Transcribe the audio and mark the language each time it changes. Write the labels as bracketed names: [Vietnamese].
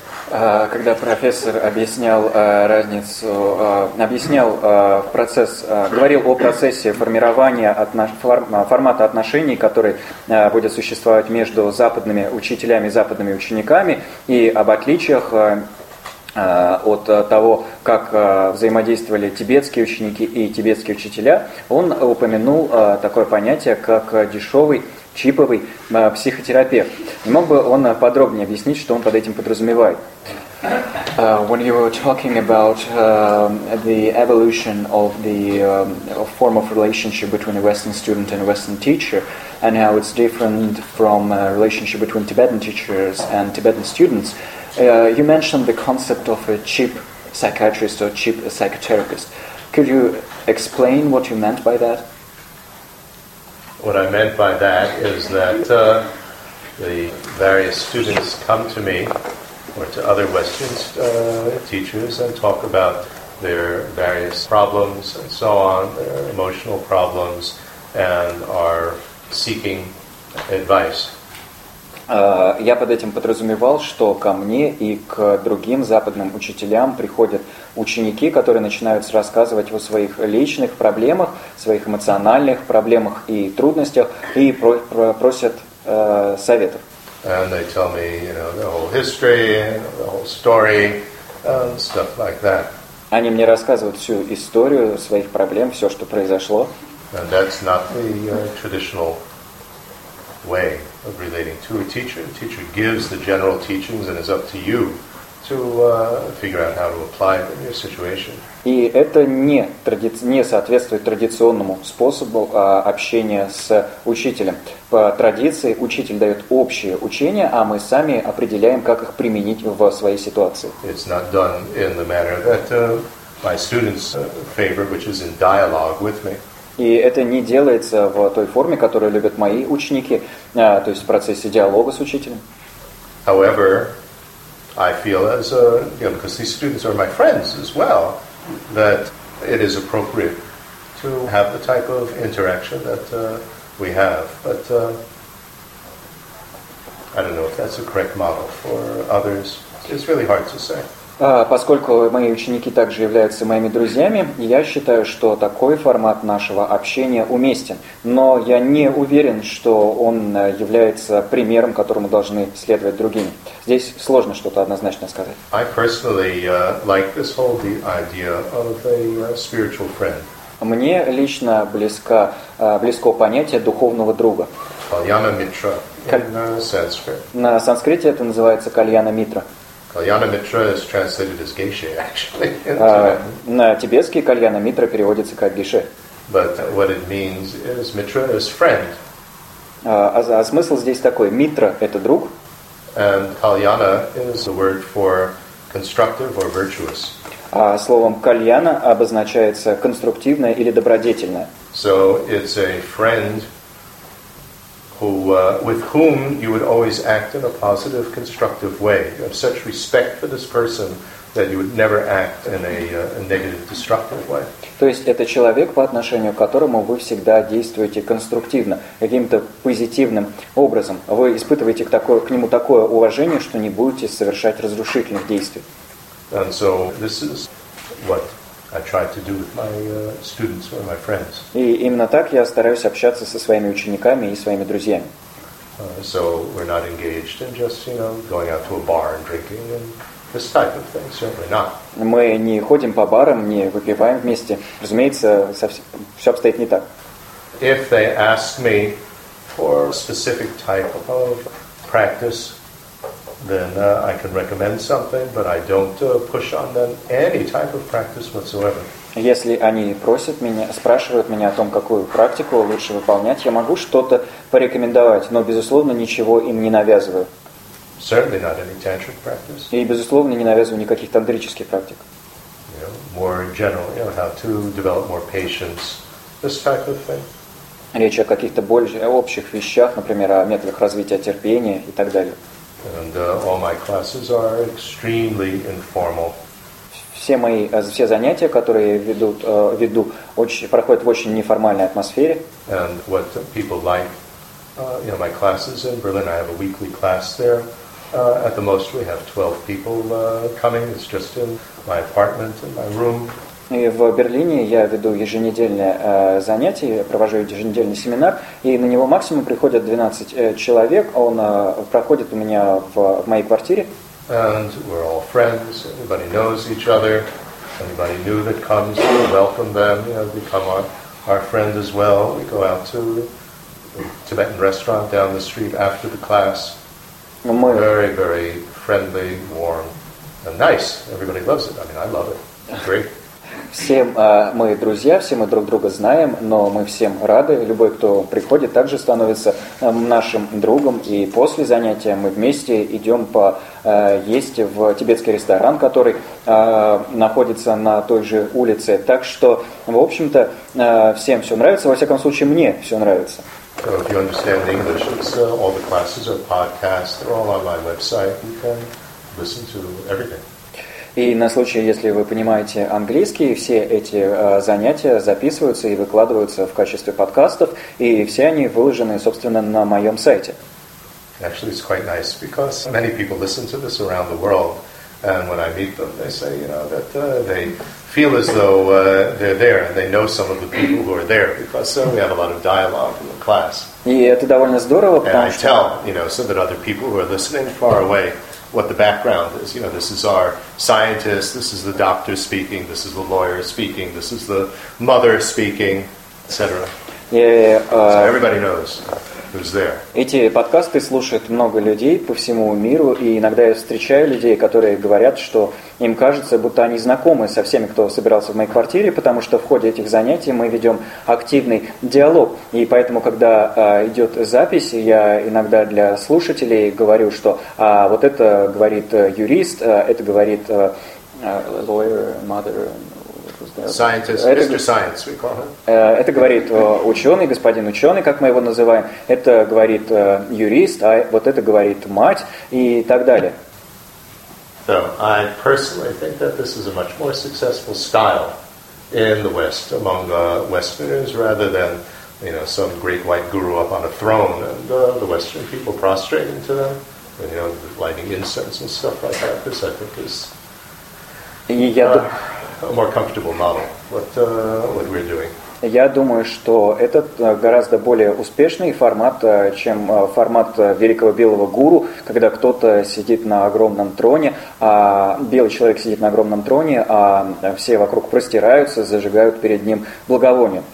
[Russian] Когда профессор объяснял разницу, объяснял процесс, говорил о процессе формирования формата отношений, который будет существовать между западными учителями, западными учениками, и об отличиях от того, как взаимодействовали тибетские ученики и тибетские учителя, он упомянул такое понятие, как дешевый чиповый психотерапевт. Не мог бы он подробнее объяснить, что он под этим подразумевает? [English] When you were talking about the evolution of the form of relationship between a Western student and a Western teacher, and how it's different from a relationship between Tibetan teachers and Tibetan students, you mentioned the concept of a cheap psychiatrist or cheap psychotherapist. Could you explain what you meant by that? What I meant by that is that the various students come to me or to other Western teachers and talk about their various problems and so on, their emotional problems, and are seeking advice. [Russian] Я под этим подразумевал, что ко мне и к другим западным учителям приходят ученики, которые начинают рассказывать о своих личных проблемах, своих эмоциональных проблемах и трудностях, и просят советов. [English] And they tell me, you know, the whole history, the whole story, stuff like that. [Russian] Они мне рассказывают всю историю своих проблем, все, что произошло. [English] And that's not the traditional way of relating to a teacher. The teacher gives the general teachings, and it's up to you to figure out how to apply it in your situation. [Russian] И это не соответствует традиционному способу общения с учителем. По традиции учитель дает общие учения, а мы сами определяем, как их применить в своей ситуации. [English] It's not done in the manner that my students favor, which is in dialogue with me. [Russian] И это не делается в той форме, которую любят мои ученики, то есть в процессе диалога с учителем. [English] However, I feel as a, you know, because these students are my friends as well, that it is appropriate to have the type of interaction that we have. But I don't know if that's a correct model for others. It's really hard to say. [Russian] Поскольку мои ученики также являются моими друзьями, я считаю, что такой формат нашего общения уместен. Но я не уверен, что он является примером, которому должны следовать другие. Здесь сложно что-то однозначно сказать. [English] I personally like this whole idea of a spiritual friend. [Russian] Мне лично близко понятие духовного друга. [English] Кальяна-митра in Sanskrit. [Russian] На санскрите это называется кальяна-митра. [English] Кальяна-митра is translated as гейше, actually. [Russian] На тибетский кальяна-митра переводится как гейше. [English] But what it means is митра is friend. [Russian] А смысл здесь такой: митра это друг. [English] And кальяна is the word for constructive or virtuous. [Russian] А словом кальяна обозначается конструктивное или добродетельное. [English] So it's a friend who with whom you would always act in a positive, constructive way. You have such respect for this person that you would never act in a negative, destructive way. [Russian] То есть это человек, по отношению к которому вы всегда действуете конструктивно, каким-то позитивным образом. Вы испытываете к нему такое уважение, что не будете совершать разрушительных действий. [English] And so this is what I try to do with my students or my friends. [Russian] И именно так я стараюсь общаться со своими учениками и своими друзьями. [English] So we're not engaged in just, you know, going out to a bar and drinking and this type of thing. Certainly not. [Russian] Мы не ходим по барам, не выпиваем вместе. Разумеется, все обстоит не так. [English] If they ask me for a specific type of practice, then I can recommend something, but I don't push on them any type of practice whatsoever. [Russian] Если они просят меня, спрашивают меня о том, какую практику лучше выполнять, я могу что-то порекомендовать, но, безусловно, ничего им не навязываю. [English] Certainly not any tantric practice. [Russian] И, безусловно, не навязываю никаких тантрических практик. [English] You know, more general, you know, how to develop more patience, this type of thing. [Russian] Речь о каких-то более общих вещах, например, о методах развития терпения и так далее. [English] And all my classes are extremely informal. [Russian] Все занятия, которые веду, проходят в очень неформальной атмосфере. [English] And what people like, you know, my classes in Berlin, I have a weekly class there. At the most, we have 12 people coming. It's just in my apartment, in my room. [Russian] И в Берлине я веду еженедельное занятие, провожу еженедельный семинар, и на него максимум приходят 12 человек. Он проходит у меня в моей квартире. [English] And we're all friends. Everybody knows each other. Anybody new that comes, we welcome them. You know, become our friend as well. We go out to Tibetan restaurant down the street after the class. Very, very friendly, warm, and nice. Everybody loves it. I mean, I love it. It's great. [Russian] Всем мы друзья, все мы друг друга знаем, но мы всем рады. Любой, кто приходит, также становится нашим другом. И после занятия мы вместе идем поесть в тибетский ресторан, который находится на той же улице. Так что, в общем-то, всем все нравится. Во всяком случае, мне все нравится. [English] So if you understand English, it's, all the classes are podcasts. They're all on my website. You can listen to everything. [Russian] И на случай, если вы понимаете английский, все эти занятия записываются и выкладываются в качестве подкастов, и все они выложены, собственно, на моем сайте. [English] Actually, it's quite nice because many people listen to this around the world, and when I meet them, they say, you know, that they feel as though they're there, and they know some of the people who are there, because we have a lot of dialogue in the class. [Russian] И это довольно здорово, потому что... [English] And I tell, you know, so that other people who are listening far away what the background is. You know, this is our scientist, this is the doctor speaking, this is the lawyer speaking, this is the mother speaking, etc. So everybody knows who's there. [Russian] Эти подкасты слушают много людей по всему миру, и иногда я встречаю людей, которые говорят, что им кажется, будто они знакомы со всеми, кто собирался в моей квартире, потому что в ходе этих занятий мы ведем активный диалог. И поэтому, когда идет запись, я иногда для слушателей говорю, что вот это говорит юрист, это говорит [English] lawyer, mother... [Russian] Это говорит ученый, господин ученый, как мы его называем. Это говорит юрист, а вот это говорит мать и так далее. [English] So I personally think that this is a much more successful style in the West among Westerners rather than, you know, some great white guru up on a throne and the Western people prostrating to them, and, you know, lighting incense and stuff like that. This, I think, is a more comfortable model. What we're doing. [Russian] Я думаю, что этот гораздо более успешный формат, чем формат великого белого гуру, когда кто-то сидит на огромном троне, а белый человек сидит на огромном троне, а все вокруг простираются, зажигают перед ним благовоние.